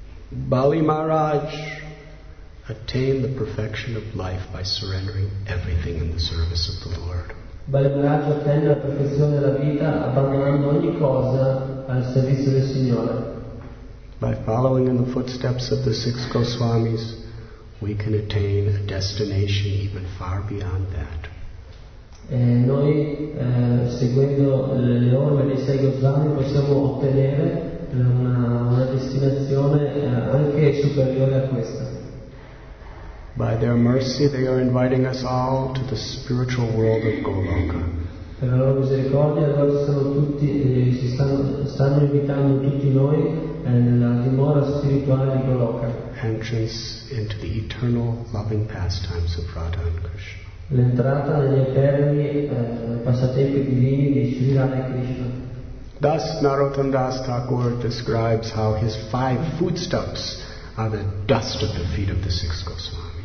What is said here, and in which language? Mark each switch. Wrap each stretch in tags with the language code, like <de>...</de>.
<en>Bali Maharaj attained the perfection of life by surrendering everything in the service of the Lord.</en> <it>Balamaraj attende la perfezione della vita abbandonando ogni cosa al servizio del Signore.</it> <en>By following in the footsteps of the six Goswamis, we can attain a destination even far beyond that.</en> <it>E noi, seguendo le orme dei sei Goswami, possiamo ottenere una destinazione anche è superiore a questa.</it> <en>By their mercy they are inviting us all to the spiritual world of Goloka.</en> <it>Per la loro misericordia loro sono tutti si stanno invitando tutti noi nella dimora spirituale di Goloka.</it> <en>Entrance into the eternal loving pastimes of Radha and Krishna.</en> <it>L'entrata negli eterni passatempi divini di Sri Radha e Krishna.</it> <en>Thus Narottam Das Thakur describes how his five footsteps are the dust of the feet of the six Goswamis.</en>